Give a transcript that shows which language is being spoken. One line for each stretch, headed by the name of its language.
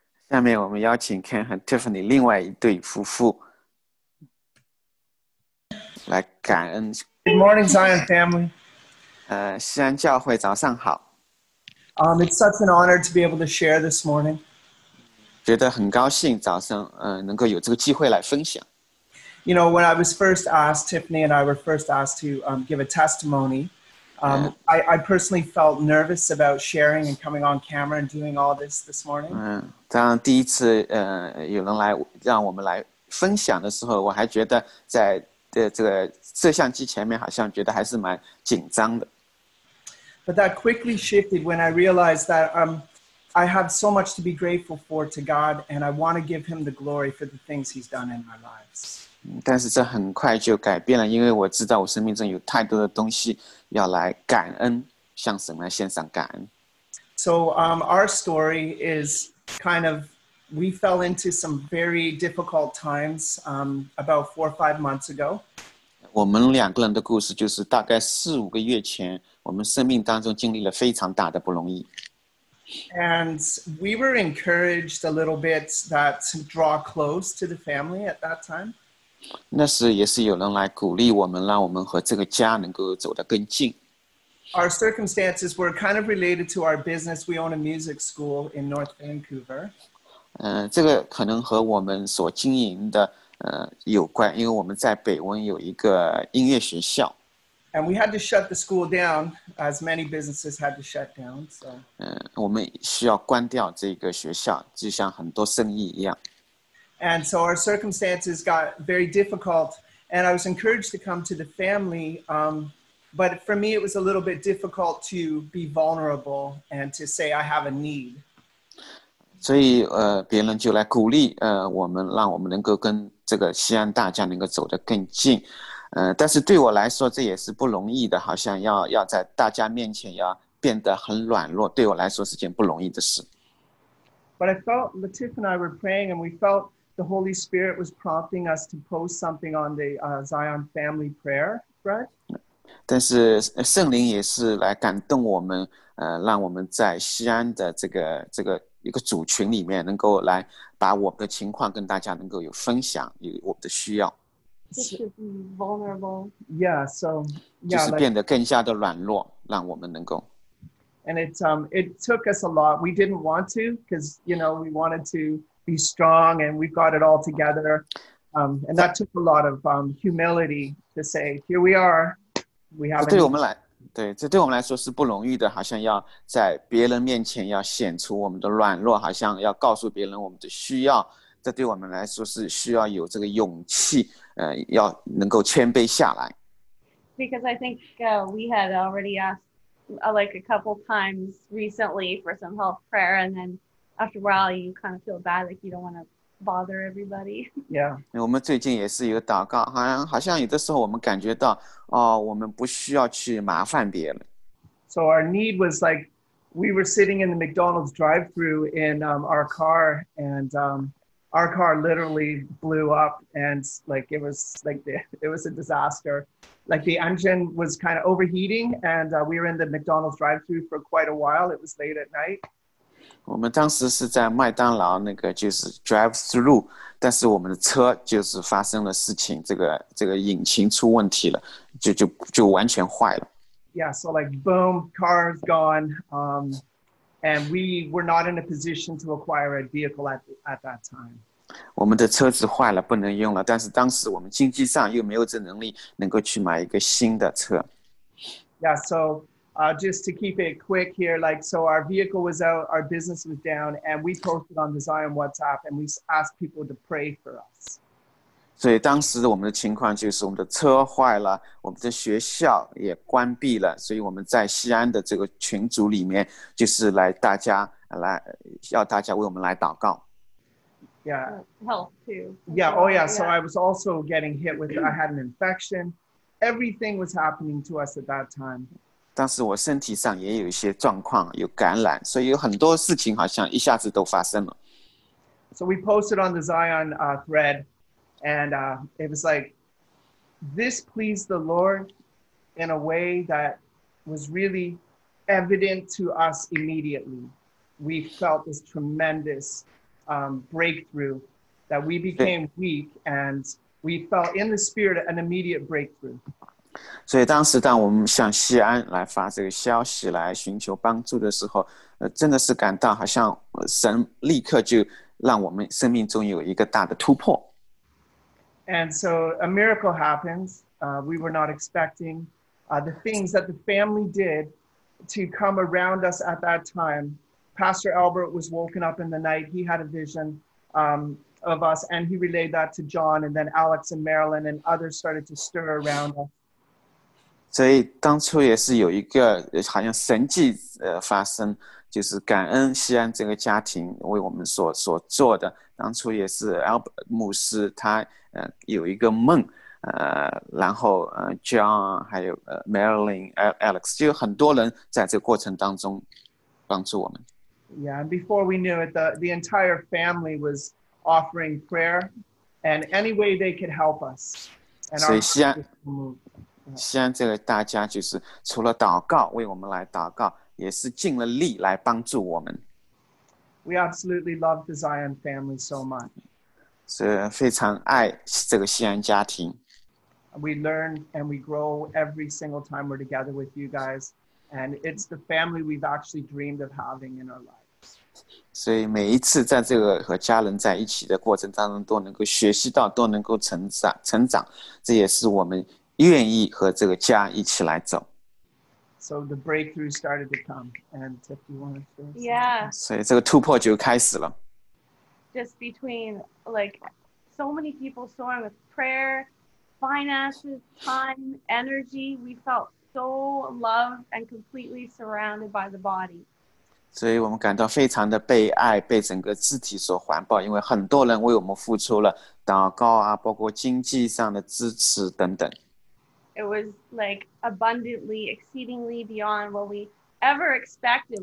Chinese: 下面我们邀请 Ken 和 Tiffany 另外一对夫妇来感恩。
English: Good morning, Zion family.
Chinese: 西安教会早上好
English: It's such an honor to be able to share this morning
Chinese: 觉得很高兴早上能够有这个机会来分享。
English: You know, when I was first asked, Tiffany and I were first asked to give a testimony, I personally felt nervous about sharing and coming on camera and doing all this morning.
Chinese: 当第一次有人来让我们来分享的时候，我还觉得在这个摄像机前面好像觉得还是蛮紧张的。
English: But that quickly shifted when I realized that I have so much to be grateful for to God, and I want to give Him the glory for the things He's done in my lives.
Chinese: 但是这很快就改变了，因为我知道我生命中有太多的东西要来感恩，向神来献上感恩。
English: So our story is kind of, we fell into some very difficult times about 4 or 5 months ago.
Chinese: 我们两个人的故事就是大概四五个月前，我们生命当中经历了非常大的不容易。
English: And we were encouraged a little bit that to draw close to the family at that time.
Chinese: 那时也是有人来鼓励我们，让我们和这个家能够走得更近。
English: Our circumstances were kind of related to our business. We own a music school in North Vancouver.
Chinese: 这个可能和我们所经营的有关，因为我们在北温有一个音乐学校。
English: And we had to shut the school down, as many businesses had to shut down. So.
Chinese: 我们需要关掉这个学校，就像很多生意一样。
English: And so our circumstances got very difficult, and I was encouraged to come to the family. But for me, it was a little bit difficult to be vulnerable and to say I have a need.
Chinese: 所以别人就来鼓励我们，让我们能够跟这个西安大家能够走得更近。但是对我来说这也是不容易的，好像要在大家面前要变得很软弱，对我来说是件不容易的事。
English: But I felt Latif and I were praying and we felt the Holy Spirit was prompting us to post something on the Zion family prayer thread.
Chinese: 但是圣灵也是来感动我们让我们在西安的这个一个组群里面能够来把我们的情况跟大家能够有分享，有我们的需要。
English: Just to be vulnerable. Yeah, so.
Chinese: 就是变得更加的软弱，让我们能够。
English: And it took us a lot. We didn't want to, because, you know, we wanted to be strong and we've got it all together. And that took a lot of humility to say, here we are. We have.
Chinese: 这对我们来说是不容易的，好像要在别人面前要显出我们的软弱，好像要告诉别人我们的需要。这对我们来说是需要有这个勇气，要能够谦卑下来。
English: Because I think we had already asked like a couple times recently for some health prayer, and then after a while you kind of feel bad, like you don't want to bother everybody. Yeah.
Chinese: 我们最近也是有祷告，好像有的时候我们感觉到，哦，我们不需要去麻烦别人。
English: So our need was like,we were sitting in the McDonald's drive-thru in our car, and our car literally blew up, and like it was a disaster. Like the engine was kind of overheating, and we were in the McDonald's drive-thru for quite a while. It was late at night.
Chinese: 我们当时是在麦当劳那个就是 drive-thru, 但是我们的车就是发生了事情，这个引擎出问题了，就完全坏了。
English: Yeah, so like boom, car's gone, and we were not in a position to acquire a vehicle at that time.
Chinese: 我们的车子坏了，不能用了。但是当时我们经济上又没有这能力，能够去买一个新的车。
English: Yeah, so just to keep it quick here, like so, our vehicle was out, our business was down, and we posted on the Zion WhatsApp, and we asked people to pray for us.
Chinese: 所以当时我们的情况就是我们的车坏了，我们的学校也关闭了，所以我们在西安的这个群组里面就是来大家来要大家为我们来祷告。
English: Yeah, health too. Yeah, oh yeah. So I was also getting hit with. I had an infection. Everything was happening to us at that time.
Chinese: 当时我身体上也有一些状况，有感染，所以有很多事情好像一下子都发生了。
English: So we posted on the Zion thread. And it was like, this pleased the Lord in a way that was really evident to us immediately. We felt this tremendous breakthrough that we became weak and we felt in the spirit an immediate breakthrough.
Chinese: 所以当时当我们向西安来发这个消息来寻求帮助的时候，真的是感到好像神立刻就让我们生命中有一个大的突破。
English: And so a miracle happens. We were not expecting. The things that the family did to come around us at that time. Pastor Albert was woken up in the night. He had a vision of us, and he relayed that to John, and then Alex and Marilyn and others started to stir around us.
Chinese: 所以当初也是有一个好像神迹发生，就是感恩西安这个家庭为我们所做的。当初也是 Albert 牧师他有一个梦，然后John 还有Marilyn Alex 就很多人在这个过程当中帮助我们。
English: Yeah, and before we knew it, the entire family was offering prayer and any way they could help us. And
Chinese: 所以西安这个大家就是除了祷告为我们来祷告，也是尽了力来帮助我们。
English: We absolutely love the Zion family so much.
Chinese: 是非常爱这个西安家庭。
English: We learn and we grow every single time we're together with you guys. And it's the family we've actually dreamed of having in our lives.
Chinese: 所以每一次在这个和家人在一起的过程当中，都能够学习到，都能够成长，这也是我们愿意和这个家一起来走。
English: So the breakthrough started to come, and if you want to share, yeah.
Chinese: 所以这个突破就开始了。
English: Just between like so many people sowing with prayer, finances, time, energy, we felt. So loved and completely surrounded by the body.
Chinese: 所以我们感到非常的被爱，被整个肢体所环抱，因为很多人为我们付出了祷告啊，包括经济上的支持等等。
English: It was like abundantly, exceedingly beyond what we ever expected.